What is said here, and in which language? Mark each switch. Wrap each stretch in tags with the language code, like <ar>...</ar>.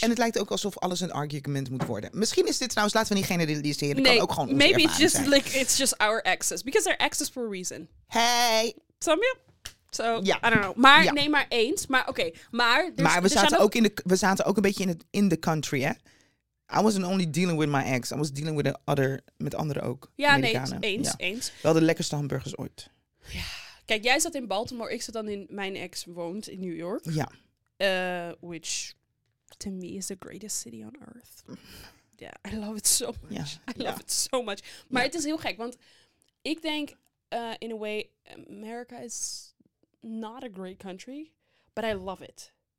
<nl>En het lijkt ook alsof alles een argument moet worden. Misschien is dit trouwens, laten we niet generaliseren. Nee, kan ook gewoon</nl> <en>maybe it's just</en> <nl>zijn.</nl> <en>Like, it's just our exes. Because they're exes for a reason. Hey!</en> <nl>Snap je? So,</nl> <en>yeah. I don't know.</en> <nl>Maar, yeah. Nee, maar eens. Maar, oké. Okay. Maar, we zaten ook een beetje in de country, hè?</nl> <en>I wasn't only dealing with my ex. I was dealing with the other,</en> <nl>met anderen ook. Ja, nee, eens. Wel de lekkerste hamburgers ooit. Ja. Kijk, jij zat in Baltimore. Ik zat dan in, mijn ex woont in New York. Ja.</nl> <en>Which, to me, is the greatest city on earth. Ja, yeah, I love it so much. Yeah. I love it so much.</en> <nl>Maar het is heel gek, want ik denk...</nl> <en>in a way, America is not a great country, but I love it.</en>